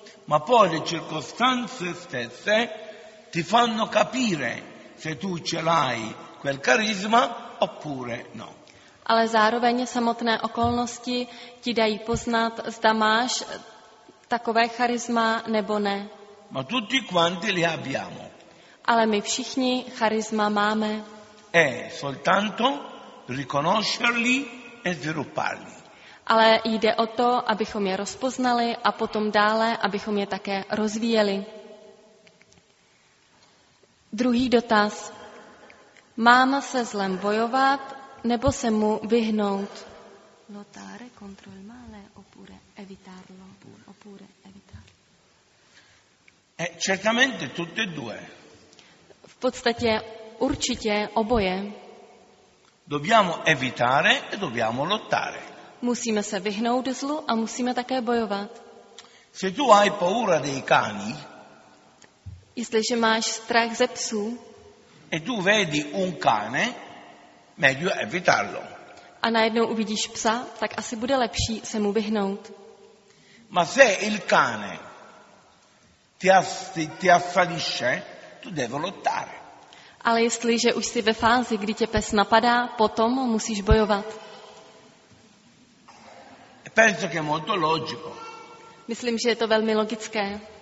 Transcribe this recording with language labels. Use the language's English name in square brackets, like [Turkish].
[Italian] Ma poi le circostanze stesse ti fanno capire se tu ce l'hai quel carisma oppure no. [Czech] Ale zároveň samotné okolnosti ti dají poznat, zda máš takové charisma nebo ne. [Italian] Ma tutti quanti li abbiamo. [Czech] Ale my všichni charisma máme. [Italian] È soltanto riconoscerli e svilupparli. [Czech] Ale jde o to, abychom je rozpoznali a potom dále, abychom je také rozvíjeli. Druhý dotaz. Mám se zlem bojovat nebo se mu vyhnout? [Italian] Lotare contro il male oppure evitarlo? Oppure evitarlo. Certamente tutte e due. [Czech] V podstatě určitě oboje. [Italian] Dobbiamo evitare e dobbiamo lottare. [Czech] Musíme se vyhnout zlu a musíme také bojovat. [Italian] Se tu hai paura dei cani. [Czech] Jestliže máš strach ze psů. [Italian] E tu vedi un cane, meglio evitarlo. [Czech] A najednou uvidíš psa, tak asi bude lepší se mu vyhnout. [Italian] Ma se il cane ti assalisce, tu devi lottare. [Czech] Ale jestliže už jsi ve fázi, kdy tě pes napadá, potom musíš bojovat. [Italian] Penso che è molto logico. [Czech] Myslím, že je to velmi logické.